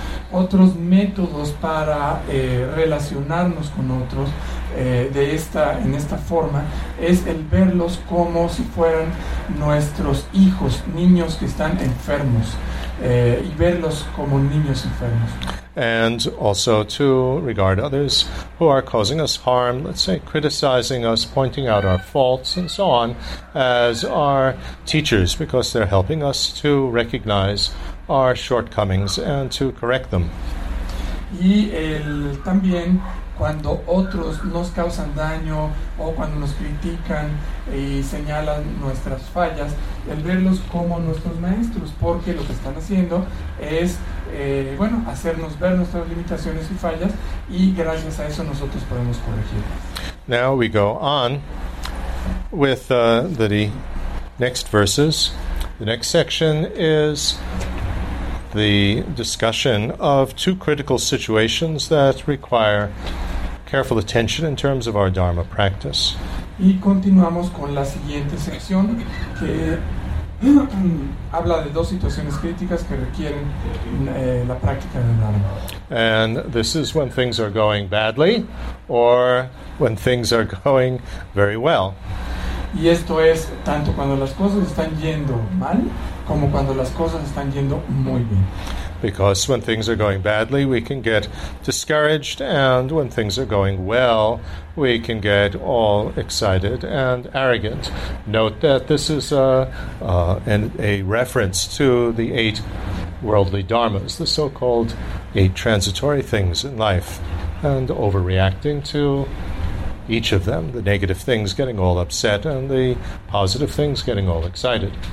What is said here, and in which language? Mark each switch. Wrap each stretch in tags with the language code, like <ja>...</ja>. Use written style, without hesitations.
<es>Otros métodos para relacionarnos con otros en esta forma es el verlos como si fueran nuestros hijos, niños que están enfermos, y verlos como niños enfermos.</es> <en>And also to regard others who are causing us harm, let's say criticizing us, pointing out our faults and so on, as our teachers, because they're helping us to recognize our shortcomings and to correct them.</en> <es>Y también cuando otros nos causan daño o cuando nos critican y señalan nuestras fallas, el verlos como nuestros maestros, porque lo que están haciendo es hacernos ver nuestras limitaciones y fallas, y gracias a eso nosotros podemos corregirlas.</es> <en>Now we go on with the next verses. The next section is the discussion of two critical situations that require careful attention in terms of our Dharma practice.</en> <es>Y continuamos con la siguiente sección que habla de dos situaciones críticas que requieren la práctica del Dharma.</es> <en>And this is when things are going badly or when things are going very well.</en> <es>Y esto es tanto cuando las cosas están yendo mal como cuando las cosas están yendo muy bien.</es> <en>Because when things are going badly, we can get discouraged, and when things are going well, we can get all excited and arrogant. Note that this is a reference to the eight worldly dharmas, the so-called eight transitory things in life, and overreacting to each of them, the negative things getting all upset and the positive things getting all excited.</en>